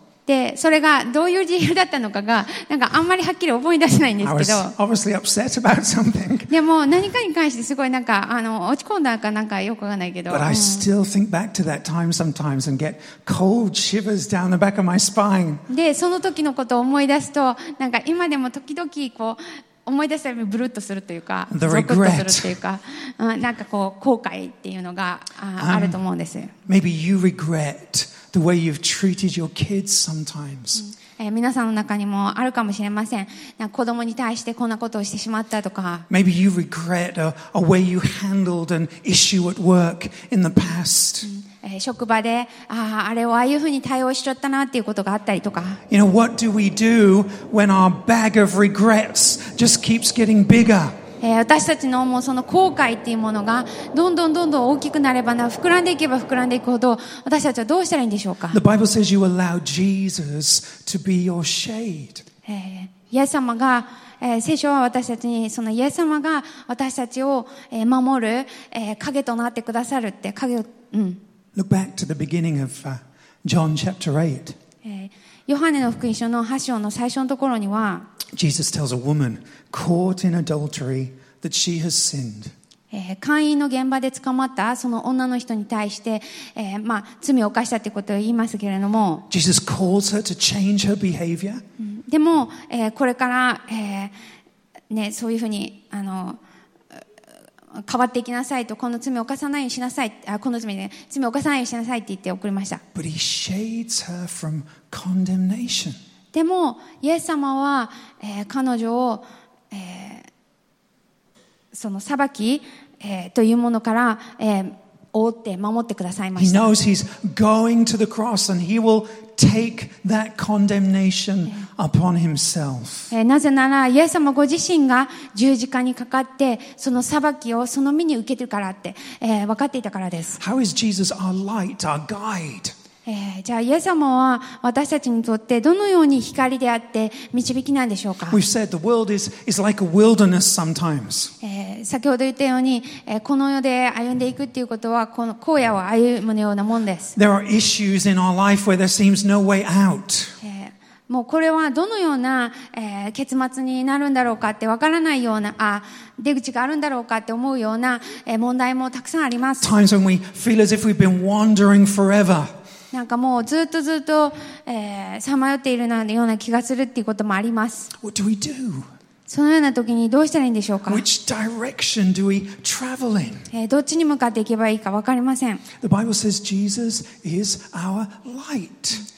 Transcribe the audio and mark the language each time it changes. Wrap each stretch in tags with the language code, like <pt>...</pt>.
<ja>でそれがどういう理由だったのかがなんかあんまりはっきり思い出せないんですけど</ja> <en>I was obviously upset about something.</en> <ja>でも何かに関してすごいなんか落ち込んだかなんかよくわからないけど</ja> <en>But I still think back to that time sometimes and get cold shivers down the back of my spine.</en> <ja>でその時のことを思い出すとなんか今でも時々こう思い出すたびにブルッとするというか、ゾクッとするというか、なんかこう後悔っていうのがあると思うんです。</ja> <en>Maybe you regret the way you've treated your kids sometimes.</en> <ja>皆さんの中にもあるかもしれません。なんか子供に対してこんなことをしてしまったとか。</ja> <en>Maybe you regret a way you handled an issue at work in the past.</en> <ja>職場で、あれをああいうふうに対応しちゃったなっていうことがあったりとか。</ja> <en>You know, what do we do when our bag of regrets just keeps getting bigger?</en> <ja>私たちのもうその後悔っていうものがどんどんどんどん大きくなればな膨らんでいけば膨らんでいくほど私たちはどうしたらいいんでしょうか。</ja> <en>The Bible says you allow Jesus to be your shade.</en> <ja>イエス様が、聖書は私たちにそのイエス様が私たちを守る、影となってくださるって影を、</ja> <en>Look back to the beginning of, John chapter 8.</en> <ja>ヨハネの福音書の8章の最初のところには</ja> <en>Jesus tells a woman caught in adultery that she has sinned.</en> <ja>姦淫の現場で捕まったその女の人に対して、罪を犯したということを言いますけれども。</ja> <en>Jesus calls her to change her behavior.</en> <ja>でも、これから、ね、そういうふうに変わっていきなさいと、この罪を犯さないようにしなさい、あ、この罪ね、罪を犯さないようにしなさいって言って送りました。</ja> <en>But he shades her from condemnation.</en> <ja>でもイエス様は、彼女を、その裁き、というものから、覆って守ってくださいました。</ja> <en>He knows he's going to the cross and he will take that condemnation upon himself.</en> <ja>なぜなら、イエス様ご自身が十字架にかかって、その裁きをその身に受けてるからって、分かっていたからです。</ja> <en>How is Jesus our light, our guide?</en> <ja>じゃあイエス様は私たちにとってどのように光であって導きなんでしょうか。</ja> <en>We've said the world is like a wilderness sometimes.</en> <ja>先ほど言ったように、この世で歩んでいくっていうことはこの荒野を歩むようなもんです。</ja> <en>There are issues in our life where there seems no way out.</en> <ja>もうこれはどのような、結末になるんだろうかってわからないような、あ、出口があるんだろうかって思うような、問題もたくさんあります。</ja> <en>Times when we feel as if we've been wandering forever.</en> <ja>なんかもうずっとずっと、さまよっているような気がするっていうこともあります。</ja> <en>What do we do?</en> <ja>そのような時にどうしたらいいんでしょうか。</ja> <en>Which direction do we travel in?</en> <ja>どっちに向かっていけばいいか分かりません。</ja> <en>The Bible says Jesus is our light.</en>